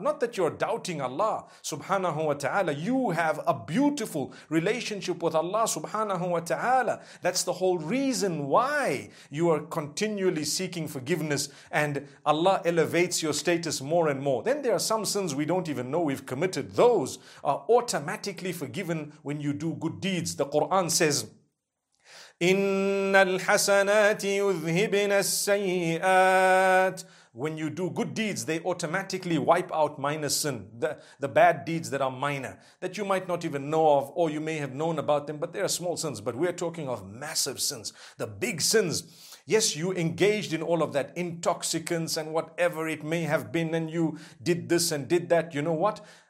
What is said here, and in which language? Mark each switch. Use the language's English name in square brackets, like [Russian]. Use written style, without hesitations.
[English] Not that you're doubting Allah subhanahu wa ta'ala. You have a beautiful relationship with Allah subhanahu wa ta'ala. That's the whole reason why you are continually seeking forgiveness and Allah elevates your status more and more. Then there are some sins we don't even know we've committed. Those are automatically forgiven when you do good deeds. The Quran says, [Arabic] إِنَّ الْحَسَنَاتِ يُذْهِبْنَ السَّيِّئَاتِ. [English] When you do good deeds, they automatically wipe out minor sin, the bad deeds that are minor, that you might not even know of, or you may have known about them, but they are small sins. But we are talking of massive sins, the big sins. Yes, you engaged in all of that, intoxicants and whatever it may have been, and you did this and did that. You know what?